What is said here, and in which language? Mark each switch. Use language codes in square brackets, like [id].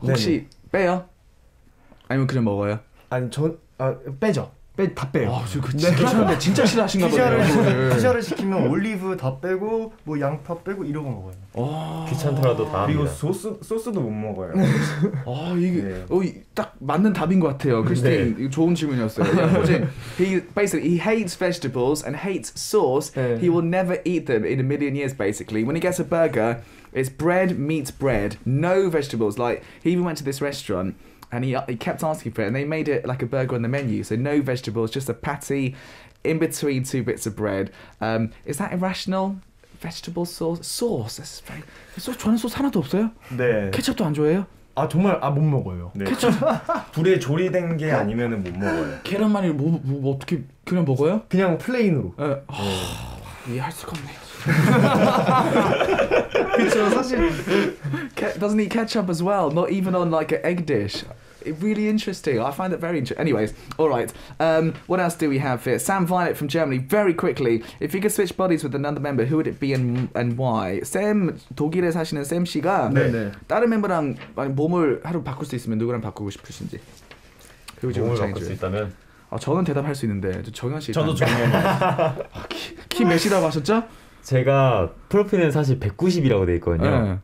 [ko] 혹시 네네. 빼요? 아니면 그냥 먹어요? 아니 저 아, 빼죠. 다 빼요. 아, 저 진짜 괜찮은데 진짜 싫어하신가 보네요. 피자를 시키면 올리브 다 빼고 뭐 양파 빼고 이러고 먹어요. 아, 귀찮더라도 다. 그리고 소스도 못 먹어요. 아 이게 네. 딱 맞는 답인 것 같아요. 크리스틴 네. 좋은 질문이었어요. [en] 어제 he basically he hates vegetables and hates sauce. 네. He will never eat them in a million years. Basically, when he gets a burger, it's bread meets bread, no vegetables. Like he even went to this restaurant. And he kept asking for it, and they made it like a burger on the menu. So no vegetables, just a patty in between two bits of bread. Is that irrational? Vegetable sauce? That's very... [ko] 저는 소스 하나도 없어요? 네. 케첩도 안 좋아해요? 아, 정말 아, 못 먹어요. 네. 케첩? 불에 조리된 게 아니면 못 먹어요. 계란말이 뭐 어떻게 그냥 먹어요? 그냥 플레인으로. 네. 이해할 수가 없네요. 그쵸, 사실. [en] Doesn't eat ketchup as well, not even on like an egg dish. It really interesting. I find it very interesting. Anyways, all right. What else do we have here? Sam Violet from Germany. Very quickly, if you could switch bodies with another member, who would it be and why? [ko] Sam, 독일에 사시는 Sam 씨가 다른 멤버랑 몸을 하루 바꿀 수 있으면 누구랑 바꾸고 싶으신지. 몸을 바꿀 수 있다면. 아, 저는 대답할 수 있는데 정현 씨. 저도 정현. 키 몇이라고 하셨죠? 제가 프로필은 사실 190이라고 돼 있거든요.